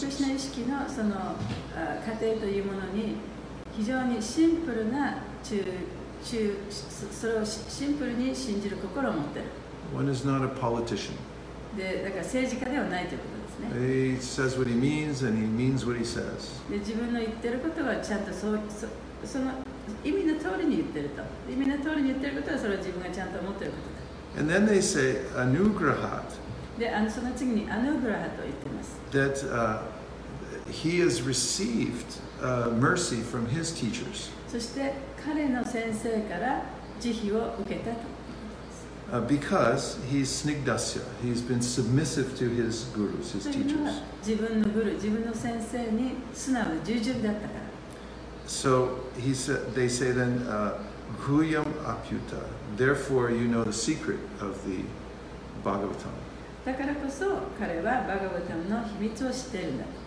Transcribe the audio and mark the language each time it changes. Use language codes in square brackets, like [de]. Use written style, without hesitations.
[ja] クリスナ意識のその過程というものに非常にシンプルな中それをシンプルに信じる心を持っている。 [en] One is not a politician. [ja] でだから政治家ではないということ。 [en] He says what he means, and he means what he says. [ja] で自分の言ってることはちゃんとその意味の通りに言ってると意味の通りに言ってることはそれは自分がちゃんと思ってることだ。 [en] And then they say anugrahat. [ja] でその次にアヌグラハと言ってます。 [en] That he has received mercy from his teachers. [ja] そして彼の先生から慈悲を受けたと。 [en] Because he's snigdasya, he's been submissive to his gurus, his teachers. [ja] 自分のグル、自分の先生に素直、従順だったから。 [en] So he said, they say then, guhyam aputa. Therefore, you know the secret of the Bhagavatam. [ja] だからこそ彼はバガヴァタムの秘密を知っているんだ。